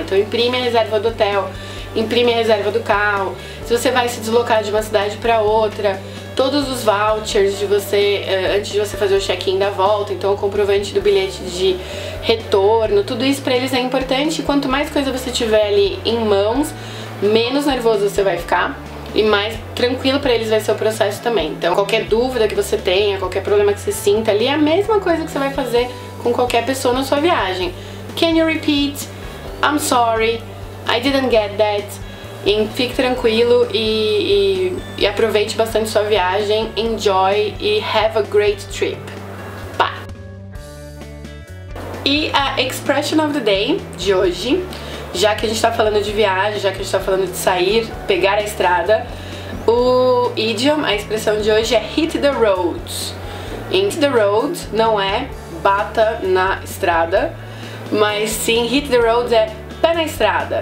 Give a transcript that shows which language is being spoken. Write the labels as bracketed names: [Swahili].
[Portuguese] Então imprime a reserva do hotel, imprime a reserva do carro, se você vai se deslocar de uma cidade para outra, todos os vouchers de você, antes de você fazer o check-in da volta, então o comprovante do bilhete de retorno, tudo isso para eles é importante. Quanto mais coisa você tiver ali em mãos, menos nervoso você vai ficar e mais tranquilo pra eles vai ser o processo também. Então qualquer dúvida que você tenha, qualquer problema que você sinta ali, é a mesma coisa que você vai fazer com qualquer pessoa na sua viagem. [English] Can you repeat? I'm sorry, I didn't get that. [Portuguese] E fique tranquilo e aproveite bastante sua viagem. [English] Enjoy e have a great trip. [Portuguese] Pá! E a [English] expression of the day [Portuguese] de hoje, já que a gente tá falando de viagem, já que a gente tá falando de sair, pegar a estrada, o idiom, a expressão de hoje é [English] hit the road. Hit the road [Portuguese] não é bata na estrada, mas sim hit the road é pé na estrada.